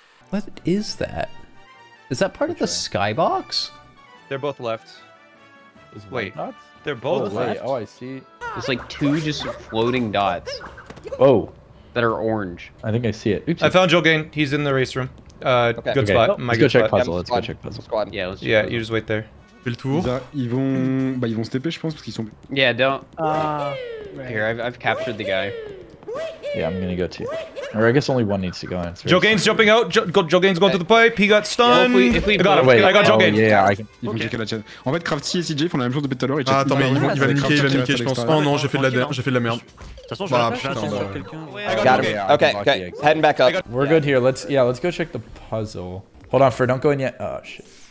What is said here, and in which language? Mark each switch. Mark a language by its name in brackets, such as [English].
[English] What is that? Is that part of the skybox? They're both left. Wait, they're both left? Oh, I see. There's like two just floating dots. Oh. That are orange. I think I see it. Oopsie. I found Jolgane. He's in the race room. good okay. spot. My let's go check spot. Puzzle. Yeah, let's go check puzzle. Squad. Yeah, let's yeah you just wait there. [French] Fais le tour. Ils vont se TP, je pense, parce qu'ils sont. [English] Yeah, don't. Here, I've captured the guy. Yeah, I'm gonna go too. Or I guess only one needs to go in. Joe Gaines jumping out. Joe Gaines going to the pipe. He got stunned. I got Joe Gaines. [French] En fait, Crafty et CJ font la même chose depuis tout à l'heure. Ah, attends, mais il va niquer, il va niquer, je pense. Oh non, j'ai fait de la merde. J'ai fait de la merde. [English] Got him. Okay. Heading back up. We're good here. Let's go check the puzzle. Hold on, Fur, don't go in yet. Oh, shit.